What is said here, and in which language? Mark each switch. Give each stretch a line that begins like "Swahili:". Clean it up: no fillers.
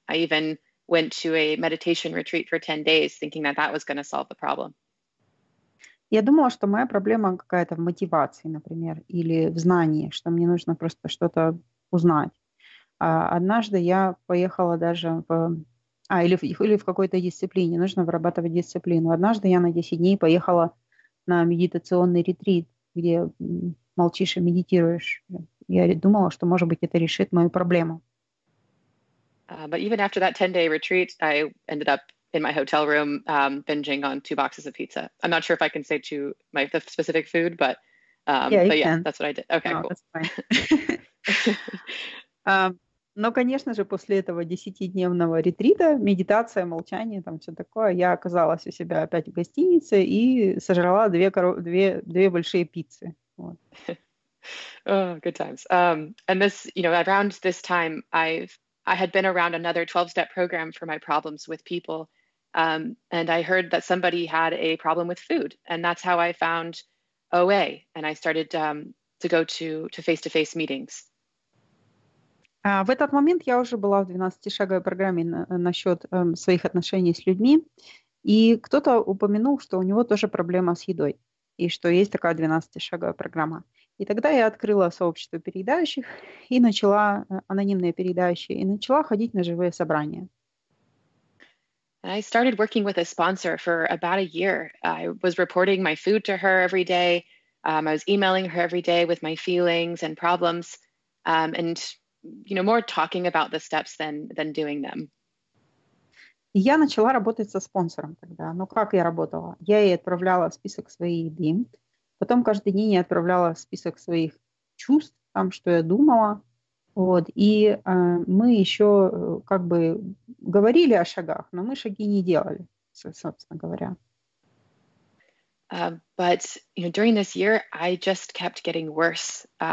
English: I even went to a meditation retreat for 10 days, thinking that that was going to solve the problem.
Russian: Я думала, что моя проблема какая-то в мотивации, например, или в знании, что мне нужно просто что-то узнать. А однажды я поехала даже в... или в какой-то дисциплине. Нужно вырабатывать дисциплину. Однажды я на 10 дней поехала на медитационный ретрит, где молчишь и медитируешь. Я думала, что, может быть, это решит мою проблему.
English: But even after that 10-day retreat, I ended up in my hotel room binging on 2 boxes of pizza. I'm not sure if I can say to my the specific food, but yeah, that's what I did. Okay, no, cool. That's fine.
Russian: Но, конечно же, после этого 10-дневного ретрита, медитация, молчание, там все такое, я оказалась у себя опять в гостинице и сожрала две большие пиццы. Вот.
English: Oh, good times. And this, you know, around this time, I had been around another 12-step program for my problems with people. And I heard that somebody had a problem with food. And that's how I found OA. And I started to go to face-to-face meetings.
Russian: В этот момент я уже была в 12-шаговой программе насчет своих отношений с людьми. И кто-то упомянул, что у него тоже проблема с едой. И что есть такая 12-шаговая программа. И тогда я открыла сообщество переедающих и начала, анонимные переедающие, и начала ходить на живые собрания.
English: And I started working with a sponsor for about a year. I was reporting my food to her every day. I was emailing her every day with my feelings and problems. And you know, more talking about the steps than doing them.
Russian: Я начала работать со спонсором тогда. Но как я работала? Я ей отправляла список своей еды. Потом каждый день я отправляла список своих чувств, там, что я думала. Вот. И мы еще как бы говорили о шагах, но мы шаги не делали, собственно говоря.
English: But, you know, during this year I just kept getting worse.